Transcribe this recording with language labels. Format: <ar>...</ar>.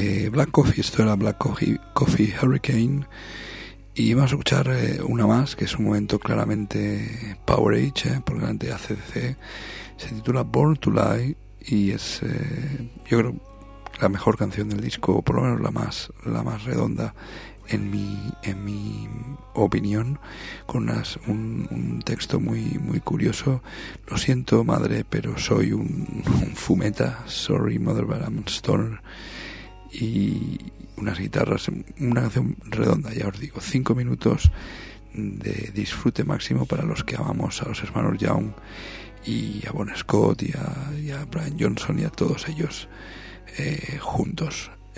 <es>Black Coffee, esto era Black Coffee, Coffee Hurricane, y vamos a escuchar una más, que es un momento claramente Power Age, porque la de ACDC se titula Born to Lie, y es yo creo la mejor canción del disco, o por lo menos la más redonda en mi opinión, con un texto muy muy curioso. Lo siento, madre, pero soy un fumeta.</es> <en>Sorry, mother, but I'm a stoner.</en> <es>Y unas guitarras, una canción redonda, ya os digo. 5 minutos de disfrute máximo para los que amamos a los hermanos Young y a Bon Scott y a Brian Johnson y a todos ellos juntos.</es>